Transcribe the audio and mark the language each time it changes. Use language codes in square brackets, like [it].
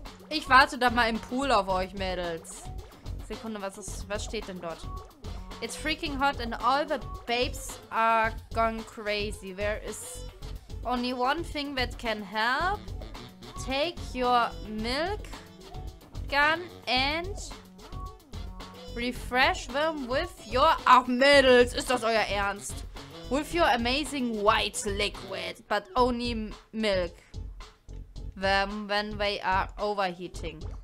[de] Ich warte da mal im Pool auf euch, Mädels. Sekunde, was steht denn dort? [en] It's freaking hot and all the babes are gone crazy. There is only one thing that can help. Take your milk gun and Refresh them with your... [de] Ach, Mädels, ist das euer Ernst? [en] With your amazing white liquid, but only milk them when they are overheating.